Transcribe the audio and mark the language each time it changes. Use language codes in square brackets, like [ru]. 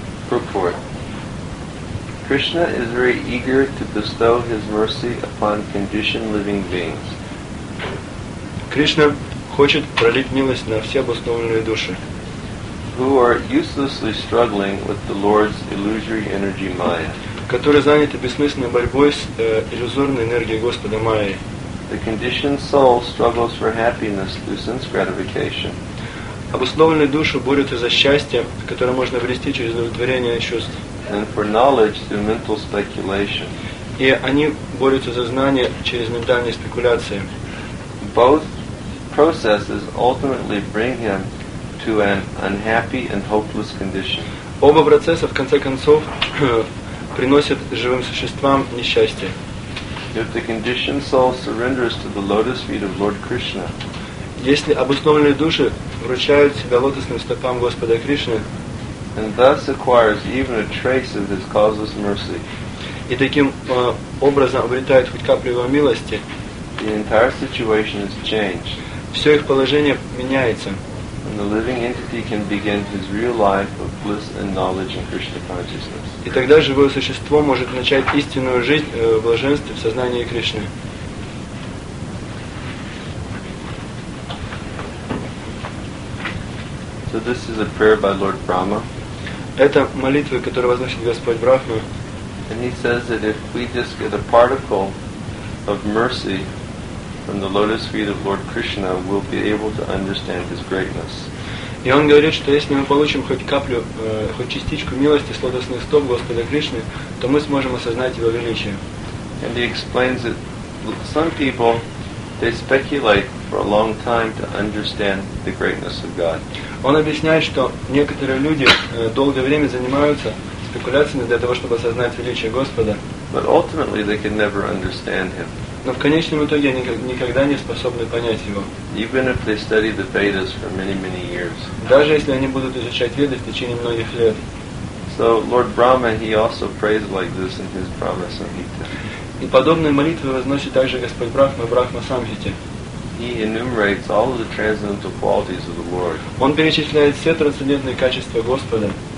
[en] Purport. Krishna is very eager to bestow His mercy upon conditioned living beings. [ru] Krishna хочет пролить милость на все обусловленные души, [en] who are uselessly struggling with the Lord's illusory energy Maya. [ru] Которые заняты бессмысленной борьбой с иллюзорной энергией Господа Майи. [en] The conditioned soul struggles for happiness through sense gratification. [ru] Обусловленные души борются за счастье, которое можно обрести через удовлетворение чувств. [en] And for knowledge through mental speculation. [ru] И они борются за знание через ментальные спекуляции. [en] Both processes ultimately bring him to an unhappy and hopeless condition. [ru] Оба процесса в конце концов приносят живым существам несчастье. [en] If the conditioned soul surrenders to the lotus feet of Lord Krishna. [ru] Если обусловленные души вручают себя лотосным стопам Господа Кришны. [en] And thus acquires even a trace of His causeless mercy. [ru] И таким образом обретает хоть каплю Его милости. [en] The entire situation is changed. [ru] Все их положение меняется. [en] And the living entity can begin his real life of bliss and knowledge in Krishna consciousness. [ru] И тогда живое существо может начать истинную жизнь в блаженстве в сознании Кришны. [en] So this is a prayer by Lord Brahma. [ru] Это молитвы, которые возносит Господь Брахма. [en] And he says that if we just get a particle of mercy from the lotus feet of Lord Krishna, we'll be able to understand His greatness. [ru] И он говорит, что если мы получим хоть каплю, хоть частичку милости с лотосных стоп Господа Кришны, то мы сможем осознать Его величие. [en] And he explains that some people, they speculate for a long time to understand the greatness of God. [ru] Он объясняет, что некоторые люди долгое время занимаются спекуляциями для того, чтобы осознать величие Господа. [en] But ultimately they can never understand Him. [ru] Но в конечном итоге они никогда не способны понять Его. [en] Even if they study the Vedas for many, many years. [ru] Даже если они будут изучать Веды в течение многих лет. [en] So Lord Brahma, he also prays like this in his Brahma Samhita. [ru] И подобные молитвы возносит также Господь Брахма в Брахма Самхите. [en] He enumerates all of the transcendental qualities of the Lord. [ru] Он перечисляет все трансцендентные качества Господа.